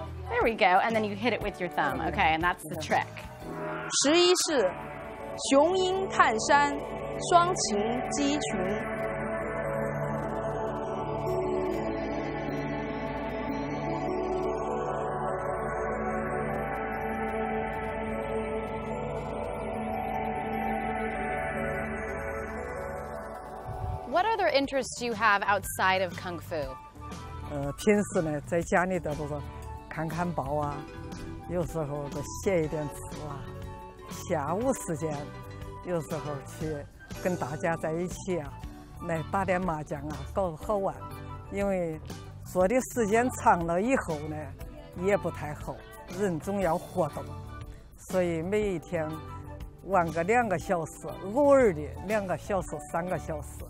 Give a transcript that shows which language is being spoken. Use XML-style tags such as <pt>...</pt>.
<en>There we go, and then you hit it with your thumb. Okay, and that's the trick.</en> <zh>十一式，雄鹰探山，双禽击群。</zh> <en>What other interests do you have outside of kung fu?</en> <zh>平时呢，在家里的都是看看报啊，有时候都写一点字啊。下午时间，有时候去跟大家在一起啊，来打点麻将啊，搞好玩。因为坐的时间长了以后呢，也不太好，人总要活动，所以每一天玩个两个小时，偶尔的两个小时、三个小时。</zh>